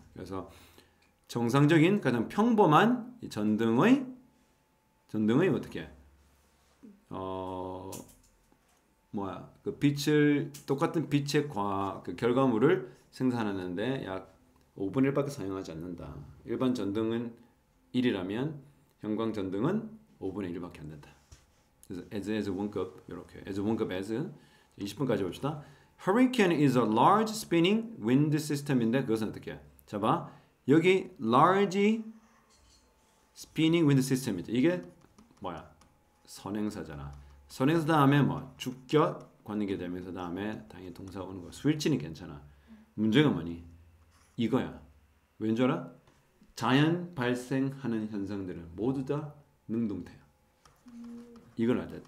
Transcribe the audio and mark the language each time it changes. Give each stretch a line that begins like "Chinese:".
Korean: 그래서 정상적인 가장 평범한 이 전등의 어떻게 뭐야 그 빛을 똑같은 빛의 그 결과물을 생산하는데 약 5분의 1밖에 사용하지 않는다. 일반 전등은 1이라면 형광 전등은 5분의 1밖에 안 된다. 그래서 as 원급 이렇게 as 원급 as 20분까지 봅시다.
English: Hurricane is a large spinning wind system인데
Korean: 그것은 어떻게 해? 자, 봐. 여기
English: large spinning wind system
Korean: 이죠. 이게 뭐야? 선행사잖아. 선행사 다음에 뭐 주격 관계대명사 다음에 당연히 동사 오는 거. 스위치는 괜찮아. 문제가 뭐니? 이거야. 왠줄 알아? 자연 발생하는 현상들은 모두 다 능동태야. 이걸 알자.